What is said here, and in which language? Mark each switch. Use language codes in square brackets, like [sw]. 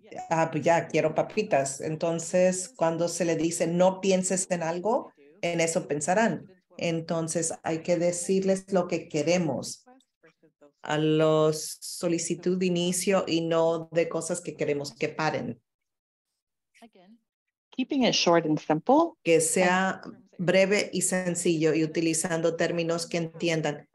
[es] Ah, pues ya, quiero papitas. Entonces, cuando se le dice no pienses en algo, en eso pensarán. Entonces, hay que decirles lo que queremos a los solicitud de inicio y no de cosas que queremos que paren. [en] Again, keeping it short and simple. [es] Que sea breve y sencillo y utilizando términos que entiendan.